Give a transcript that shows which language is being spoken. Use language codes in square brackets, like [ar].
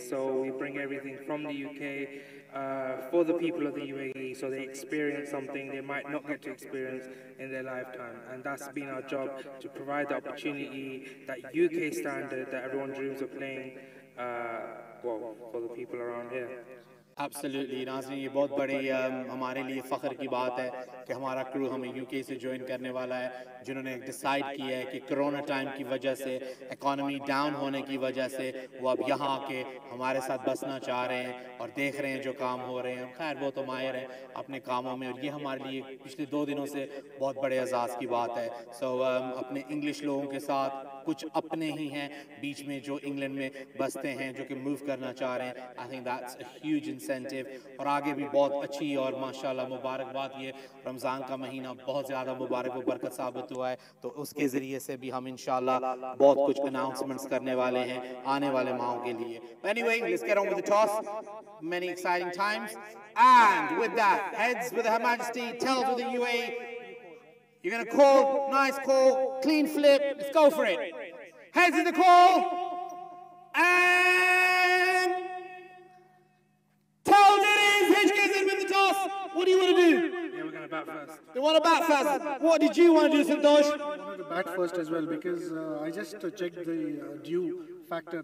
[en] So we bring everything from the UK for the people of the UAE, so they experience something they might not get to experience in their lifetime. And that's been our job, to provide the opportunity, that UK standard that everyone dreams of playing for the people around here. Absolutely, [hi] नाज़रीन, ये बहुत बड़ी हमारे लिए फ़ख्र की बात है कि हमारा क्रू हमें यूके से ज्वाइन करने वाला है, जिन्होंने डिसाइड किया है कि कोरोना टाइम की वजह से, इकॉनमी डाउन होने की वजह से, वो अब यहाँ आके हमारे साथ बसना चाह रहे हैं और देख रहे हैं जो काम हो रहे हैं. खैर, वो तो माहिर हैं अपने कामों में, और ये हमारे लिए पिछले दो दिनों से बहुत बड़े एजाज़ की बात है. सो अपने इंग्लिश लोगों के साथ कुछ अपने ही हैं बीच में जो इंग्लैंड में बसते हैं जो कि मूव करना चाह रहे हैं [en] I think that's a huge incentive [hi] और आगे भी बहुत अच्छी और माशाल्लाह मुबारकबाद ये रमज़ान का महीना बहुत ज़्यादा मुबारक व बरकत साबित हुआ है तो उसके ज़रिए से भी हम इंशाल्लाह बहुत कुछ अनाउंसमेंट्स करने वाले हैं आने वाले माहों के लिए [en] Anyway let's get on with the toss many exciting times and with that heads with her majesty tail to the UAE You're going to call, nice call, clean flip, let's go for it. Heads in the call, and tell that it is HKSZ with the toss. What do you want to do? Yeah, we're going to bat first. They want to bat first. What did you want to do, Santosh? I want to bat first as well, because I just checked the dew factor.